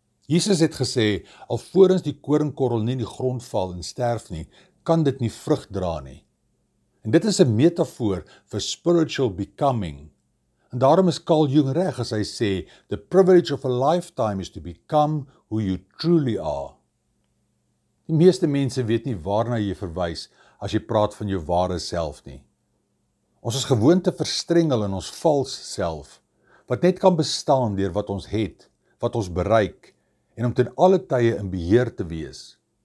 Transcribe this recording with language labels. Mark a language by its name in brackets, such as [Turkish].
[Afrikaans] Jesus het gesê, alvorens die koringkorrel nie in die grond val en sterf nie, kan dit nie vrug dra nie. En dit is 'n metafoor vir [English] spiritual becoming. [Afrikaans] En daarom is Carl Jung reg as hy sê, [English] "The privilege of a lifetime is to become who you truly are." [Afrikaans] Die meeste mense weet nie waarna jy verwys as jy praat van jou ware self nie. Ons is gewoond te verstrengel in ons vals self, wat net kan bestaan deur wat ons het, wat ons bereik, en om ten alle tye in beheer te wees.